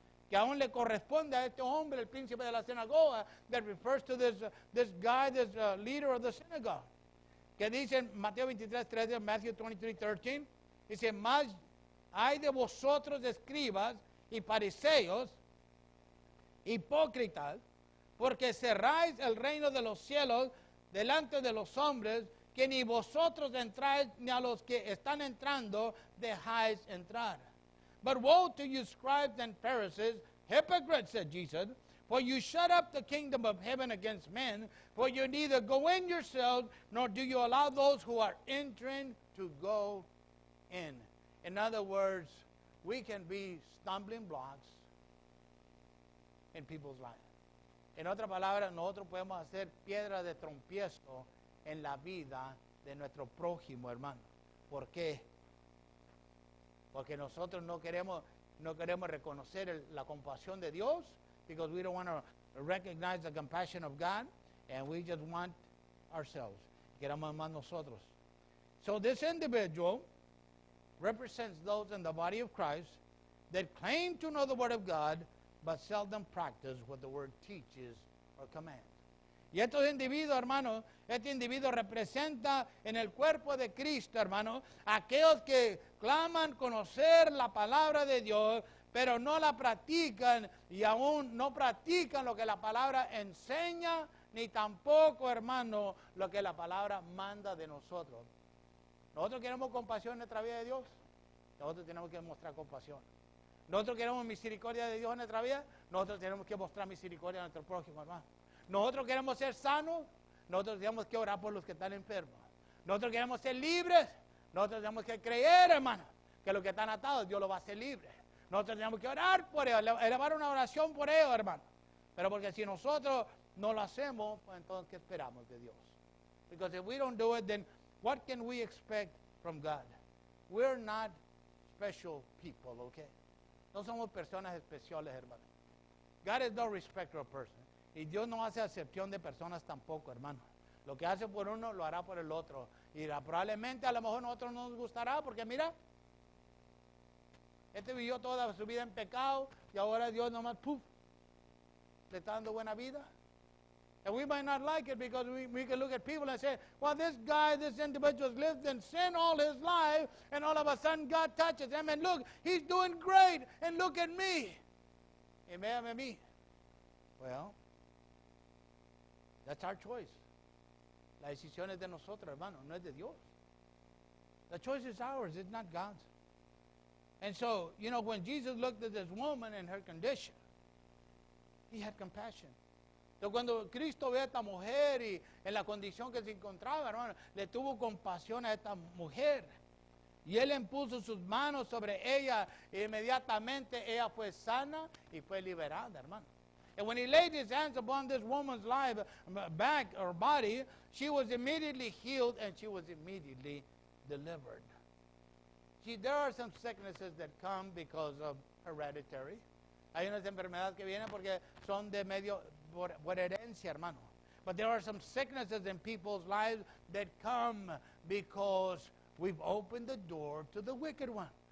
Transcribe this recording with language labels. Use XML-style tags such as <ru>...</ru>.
<es>Que aún le corresponde a este hombre, el príncipe de la sinagoga,</es> <en>that refers to this guy, this leader of the synagogue.</en> <es>Que dice en Mateo 23:13, Matthew 23:13, dice, más hay de vosotros escribas y fariseos, hipócritas, porque cerráis el reino de los cielos delante de los hombres, que ni vosotros entráis ni a los que están entrando dejáis entrar.</es> <en>But woe to you, scribes and Pharisees, hypocrites, said Jesus, for you shut up the kingdom of heaven against men, for you neither go in yourselves, nor do you allow those who are entering to go in. In other words, we can be stumbling blocks in people's lives.</en> <es>En otra palabra, nosotros podemos hacer piedra de trompiezo en la vida de nuestro prójimo, hermano. ¿Por qué? Porque nosotros no queremos reconocer la compasión de Dios,</es> <en>because we don't want to recognize the compassion of God, and we just want ourselves.</en> <es>Queremos más nosotros.</es> <en>So this individual represents those in the body of Christ that claim to know the word of God, but seldom practice what the word teaches or commands.</en> <es>Y estos individuos, hermano, este individuo representa en el cuerpo de Cristo, hermano, aquellos que claman conocer la palabra de Dios, pero no la practican y aún no practican lo que la palabra enseña, ni tampoco, hermano, lo que la palabra manda de nosotros. Nosotros queremos compasión en nuestra vida de Dios. Nosotros tenemos que mostrar compasión. Nosotros queremos misericordia de Dios en nuestra vida. Nosotros tenemos que mostrar misericordia a nuestro prójimo, hermano. Nosotros queremos ser sanos. Nosotros tenemos que orar por los que están enfermos. Nosotros queremos ser libres. Nosotros tenemos que creer, hermano, que los que están atados, Dios los va a hacer libres. Nosotros tenemos que orar por ellos, elevar una oración por ellos, hermano. Pero porque si nosotros no lo hacemos, pues entonces, ¿qué esperamos de Dios?</es> <en>Because if we don't do it, then what can we expect from God? We're not special people, okay?</en> <es>No somos personas especiales, hermano.</es> <en>God is no respecter of persons.</en> <es>Y Dios no hace acepción de personas tampoco, hermano. Lo que hace por uno, lo hará por el otro. Y probablemente, a lo mejor, nosotros no nos gustará, porque mira, este vivió toda su vida en pecado, y ahora Dios nomás, ¡puf!, le está dando buena vida.</es> <en>And we might not like it because we can look at people and say, well, this guy, this individual has lived in sin all his life, and all of a sudden God touches him, and look, he's doing great, and look at me. Amen, me. Well, that's our choice.</en> <es>La decisión es de nosotros, hermano, no es de Dios.</es> <en>The choice is ours, it's not God's. And so, you know, when Jesus looked at this woman and her condition, he had compassion.</en> <es>Entonces, cuando Cristo ve a esta mujer y en la condición que se encontraba, hermano, le tuvo compasión a esta mujer. Y él impuso sus manos sobre ella e inmediatamente ella fue sana y fue liberada, hermano.</es> <en>And when he laid his hands upon this woman's life, back or body, she was immediately healed and she was immediately delivered. See, there are some sicknesses that come because of hereditary.</en> <es>Hay unas enfermedades que vienen porque son de medio por herencia, hermano.</es> <en>But there are some sicknesses in people's lives that come because we've opened the door to the wicked one.</en>